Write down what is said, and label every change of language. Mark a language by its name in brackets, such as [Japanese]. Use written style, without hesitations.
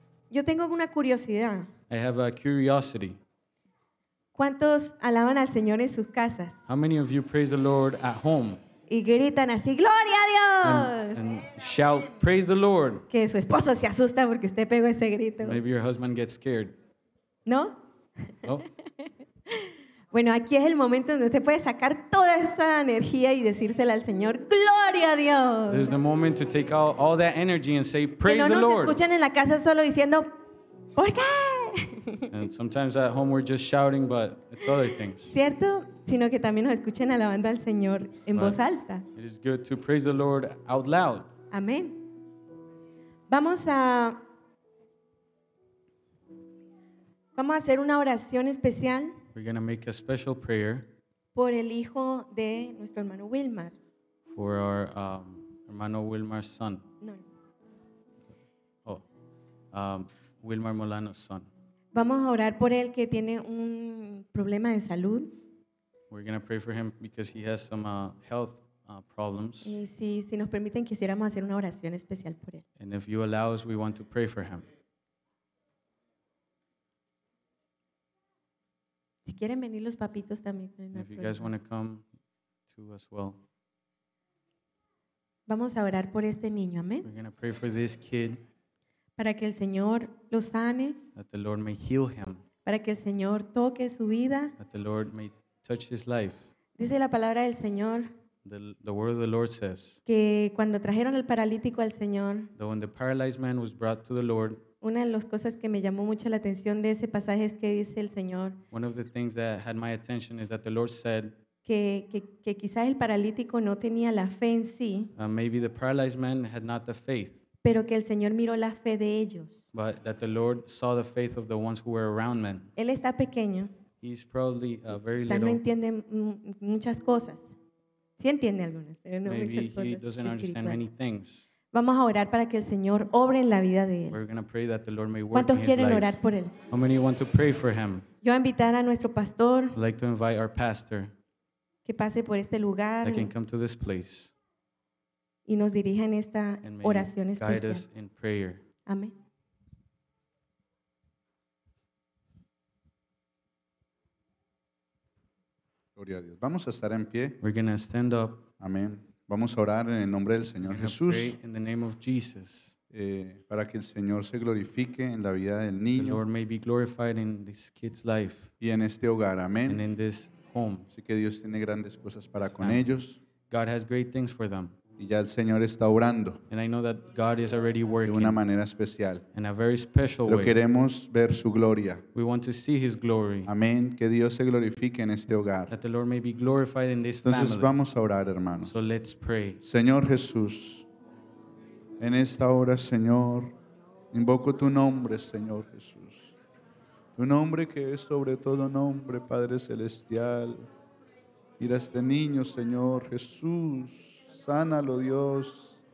[Spanish] Yo tengo una curiosidad. [English] I have a curiosity. [Spanish] ¿Cuántos alaban al Señor en sus casas? [English] How many of you praise the Lord at home? [Spanish] Y gritan así, ¡Gloria a Dios! [English] And shout, praise the Lord. [Spanish] Que su esposo se asusta porque usted pegó ese grito. [English] Maybe your husband gets scared. [Spanish] ¿No? [English] No. [Spanish] Bueno, aquí es el momento donde usted puede sacar toda esa energía y decírsela al Señor, ¡Gloria a Dios! [English] This is the moment to take out all that energy and say, praise the Lord. [Spanish] Que no nos escuchan en la casa solo diciendo, ¿por qué? [English] And sometimes at home we're just shouting, but it's other things. [Spanish] ¿Cierto? Sino que también nos escuchen alabando al Señor en voz alta. [English] It is good to praise the Lord out loud. [Spanish] Amén. Vamos a... Vamos a hacer una oración especial. [English] We're going to make a special prayer [Spanish] por el hijo de nuestro hermano Wilmar. [English] For our hermano Wilmar's son. No. Oh, Wilmar Molano's son. [Spanish] Vamos a orar por él que tiene un problema de salud. [English] We're going to pray for him because he has some health problems. [Spanish] Y si nos permiten, quisiéramos hacer una oración especial por él. [English] And if you allow us, we want to pray for him. [Spanish] Si quieren venir los papitos también. [English] If you guys want to come to us well. [Spanish] Vamos a orar por este niño, amén. [English] We're going to pray for this kid. [Spanish] Para que el Señor lo sane. [English] That the Lord may heal him. [Spanish] Para que el Señor toque su vida. [English] That the Lord may touch his life. [Spanish] Dice la palabra del Señor. [English] The word of the Lord says. [Spanish] Que cuando trajeron el paralítico al Señor. [English] That when the paralyzed man was brought to the Lord. [Spanish] Una de las cosas que me llamó mucho la atención de ese pasaje es que dice el Señor. [English] One of the things that had my attention is that the Lord said. [Spanish] Que quizás el paralítico no tenía la fe en sí. [English] Maybe the paralyzed man had not the faith. [Spanish] Pero que el Señor miró la fe de ellos. [English] But that the Lord saw the faith of the ones who were around men. [Spanish] Él está pequeño. [English] He's probably very [Spanish] está [English] little. [Spanish] No entiende muchas cosas. Sí entiende algunas, pero no [English] maybe [Spanish] muchas cosas. [English] Maybe he doesn't understand many things. [Spanish] Vamos a orar para que el Señor obre en la vida de él. [English] We're going to pray that the Lord may work in his life. [Spanish] ¿Cuántos quieren orar por él? [English] How many want to pray for him? [Spanish] Yo voy a invitar a nuestro pastor. [English] I'd like to invite our pastor. [Spanish] Que pase por este lugar. [English] That can come to this place. [Spanish] Y nos dirija en esta oración especial. [English] Guide us in prayer. [Spanish] Amén. Gloria a Dios. Vamos a estar en pie. [English] We're going to stand up. [Spanish] Amén. Vamos a orar en el nombre del Señor Jesús. [English] Pray in the name of Jesus. [Spanish] Para que el Señor se glorifique en la vida del niño. [English] The Lord may be glorified in this kid's life. [Spanish] Y en este hogar. Amén. [English] And in this home. [Spanish] Así que Dios tiene grandes cosas para con ellos. [English] God has great things for them. [Spanish] Y ya el Señor está obrando. [English] And I know that God is already working. [Spanish] De una manera especial. [English] In a very special way. [Spanish] Pero queremos ver su gloria. [English] We want to see his glory. [Spanish] Amén. Que Dios se glorifique en este hogar. [English] That the Lord may be glorified in this [Spanish] Entonces, [English] family. [Spanish] Vamos a orar, hermanos. [English] So let's pray. [Spanish] Señor Jesús, en esta hora, Señor, invoco tu nombre, Señor Jesús. Tu nombre que es sobre todo nombre, Padre Celestial. Mira a este niño, Señor Jesús. Sánalo, Dios.